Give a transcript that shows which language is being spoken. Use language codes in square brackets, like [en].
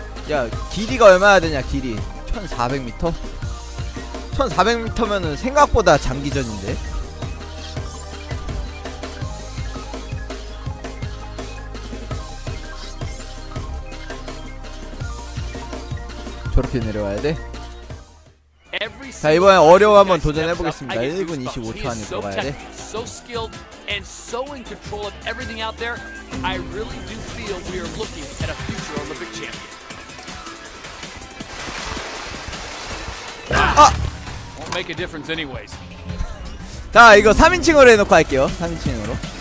[ko] 야 길이가 얼마나 되냐 길이 1400m? 1400m면은 생각보다 장기전인데 저렇게 내려와야 돼? 자 이번엔 어려워 한번 도전해보겠습니다 1분 25초 안에 들어가야 돼 [en] And so in control of everything out there, I really do feel we are looking at a future Olympic champion. Ah! Won't make a difference anyways. [ko] 자, 이거 3인칭으로 해놓고 할게요. 3인칭으로.